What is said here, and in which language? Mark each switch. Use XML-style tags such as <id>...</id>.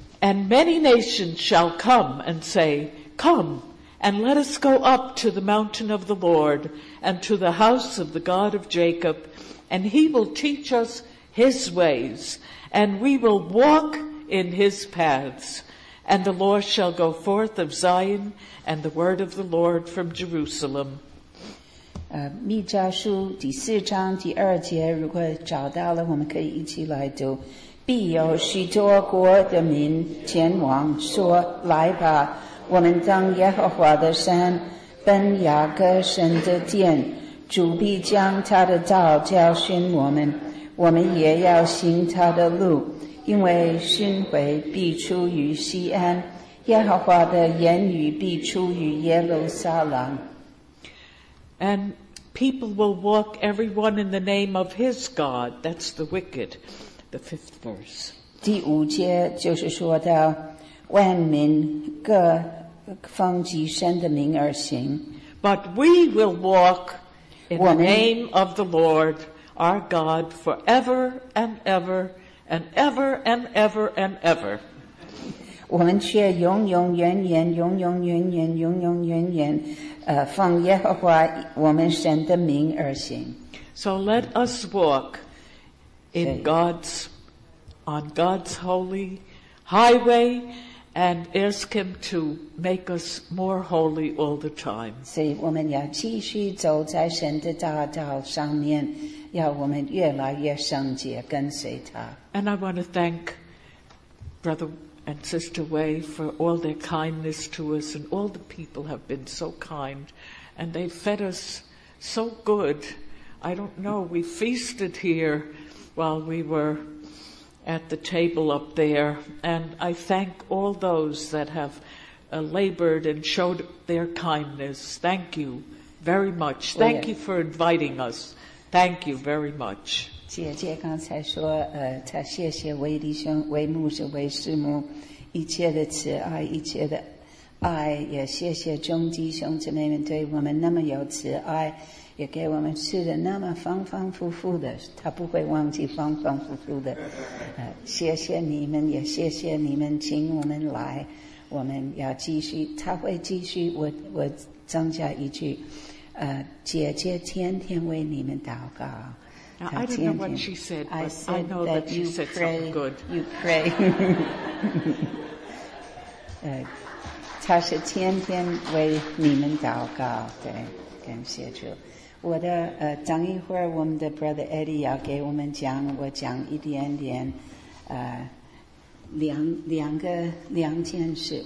<en>And many nations shall come and say, Come, and let us go up to the mountain of the Lord, and to the house of the God of Jacob, and he will teach us his ways, and we will walk in his paths. And the Lord shall go forth of Zion, and the word of the Lord from Jerusalem.</en> <zh>弥迦书第4章第2节，如果找到了，我们可以一起来读。必有许多国的民前往，说：“来吧，我们当耶和华的山，奔雅各神的殿。主必将他的道教训我们，我们也要行他的路，因为训诲必出于西安，耶和华的言语必出于耶路撒冷。”</zh> <en>And people will walk everyone in the name of his God. That's the wicked. The fifth verse.</en> <zh>第五节就是说到，万民各奉己身的名而行。</zh> <en>But we will walk in the name of the Lord, our God, forever and ever and ever and ever and ever.</en> <zh>我们却永永远远，永永远远，永永远远。奉耶和华我们神的名而行。</zh> <en>So let us walk in God's, on God's holy highway and ask him to make us more holy all the time.</en> <zh>所以我们要继续走在神的大道上面，要我们越来越圣洁，跟随他。</zh> <en>And I want to thank Brother and Sister Wei for all their kindness to us, and all the people have been so kind, and they fed us so good. I don't know, we feasted here while we were at the table up there, and I thank all those that have labored and showed their kindness. Thank you very much. Thank you for inviting us. Thank you very much.</en> <zh>姐姐刚才说，她谢谢韦弟兄、韦牧师、韦师母，一切的慈爱，一切的爱，也谢谢中基兄姊妹们对我们那么有慈爱，也给我们吃的那么丰丰富富的，她不会忘记丰丰富富的。谢谢你们，也谢谢你们请我们来，我们要继续，她会继续。我增加一句，姐姐天天为你们祷告。</zh> <en>Now, I don't know what she said, but I know that she said something good. You pray.</en> <zh>她是天天为你们祷告，对，感谢主。我的等一会儿我们的 Brother Eddie 要给我们讲，我讲一点点，两件事。</zh>